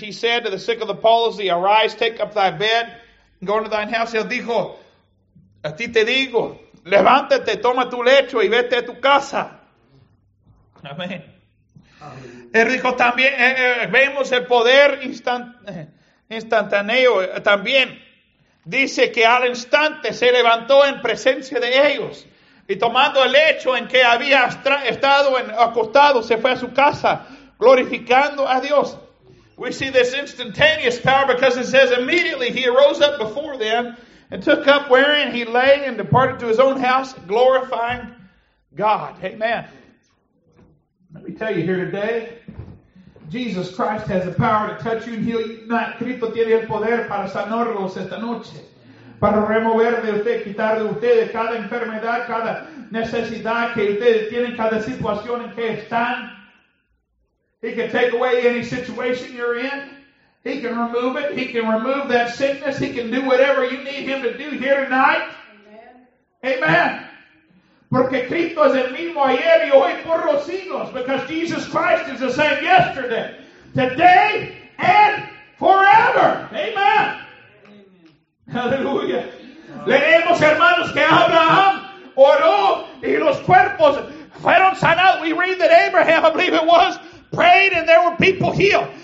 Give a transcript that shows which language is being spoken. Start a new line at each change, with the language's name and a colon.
English: He said to the sick of the palsy, arise, take up thy bed, go into thine house.
Spanish: Él dijo, a ti te digo, levántate, toma tu lecho y vete a tu casa. Amén. Él dijo también, vemos el poder instantáneo también. Dice que al instante se levantó en presencia de ellos y tomando el lecho en que había estado acostado, se fue a su casa glorificando a Dios.
English: We see this instantaneous power because it says immediately he arose up before them and took up wherein he lay and departed to his own house glorifying God. Amen. Let me tell you here today, Jesus Christ has the power to touch you and heal you.
Spanish: Not Cristo tiene el poder para sanarlos esta noche, para remover de usted, quitar de ustedes cada enfermedad, cada necesidad que ustedes tienen, cada situación en que están.
English: He can take away any situation you're in. He can remove it. He can remove that sickness. He can do whatever you need him to do here tonight. Amen. Amen.
Spanish: Porque Cristo es el mismo ayer y hoy por los siglos.
English: Because Jesus Christ is the same yesterday, today, and forever. Amen. Amen. Hallelujah.
Spanish: Leemos, hermanos, que Abraham oró y los cuerpos fueron sanados.
English: We read that Abraham, I believe it was, prayed and there were people healed.